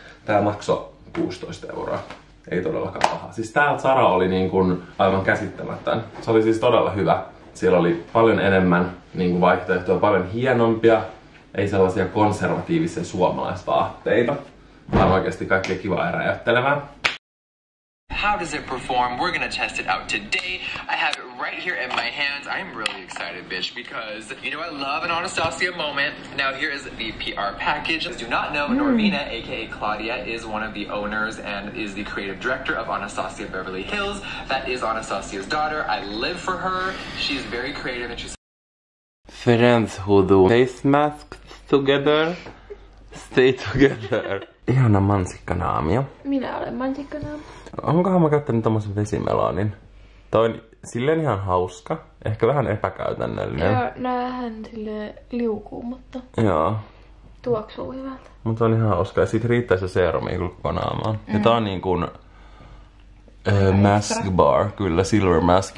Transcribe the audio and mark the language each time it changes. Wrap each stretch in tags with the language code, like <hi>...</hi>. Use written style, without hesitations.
<fi>Tää makso 16 €. Ei todellakaan pahaa. Siis tää Zara oli niin kuin aivan käsittämättä. Se oli siis todella hyvä. Siellä oli paljon enemmän niin kuin vaihtoehtoja, paljon hienompia. Ei sellaisia konservatiivisia suomalaisvaatteita. Vaan oikeesti kaikkea kivaa ja räjäyttelevää.</fi> <en>How does it perform? We're gonna test it out today. I have it right here in my hands. I'm really excited, bitch, because you know I love an Anastasia moment. Now here is the PR package. As you do not know, Norvina, aka Claudia, is one of the owners and is the creative director of Anastasia Beverly Hills. That is Anastasia's daughter. I live for her. She's very creative and she's friends who do face masks together. Stay together.</en> <fi>Ihana mansikkanaamio. Minä olen mansikkanaamio. Onkohan mä käyttänyt tommosen vesimeloonin? Toi on silleen ihan hauska. Ehkä vähän epäkäytännöllinen. Joo, näähän silleen liukuu, mutta... Joo. Tuoksuu hyvältä. Mutta on ihan oska. Ja sit riittää se serumi glukonaamaan. Mm. Ja tää on niinkun mask bar, kyllä, silver mask.</fi>